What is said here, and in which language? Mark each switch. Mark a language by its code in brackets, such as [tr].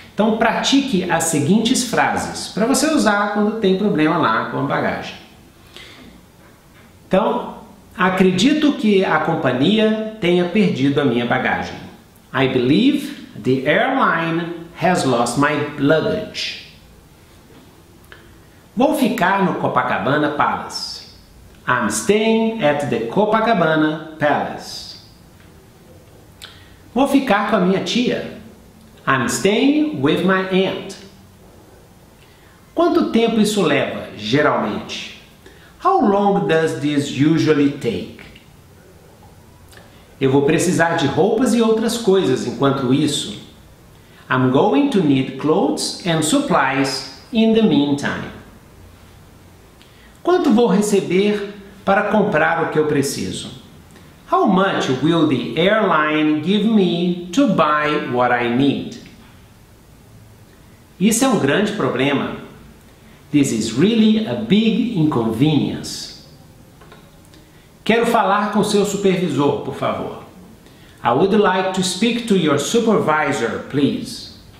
[pt] Então pratique as seguintes frases para você usar quando tem problema lá com a bagagem. Então, acredito que a companhia tenha perdido a minha bagagem. [en] I believe the airline has lost my luggage. [pt] Vou ficar no Copacabana Palace. [en] I'm staying at the Copacabana Palace. [pt] Vou ficar com a minha tia. [en] I'm staying with my aunt. [pt] Quanto tempo isso leva, geralmente? [en] How long does this usually take? [pt] Eu vou precisar de roupas e outras coisas enquanto isso. [en] I'm going to need clothes and supplies in the meantime. [pt] Quanto vou receber para comprar o que eu preciso? [en] How much will the airline give me to buy what I need? [pt] Isso é um grande problema. [en] This is really a big inconvenience. [pt] Quero falar com seu supervisor, por favor. [en] I would like to speak to your supervisor, please.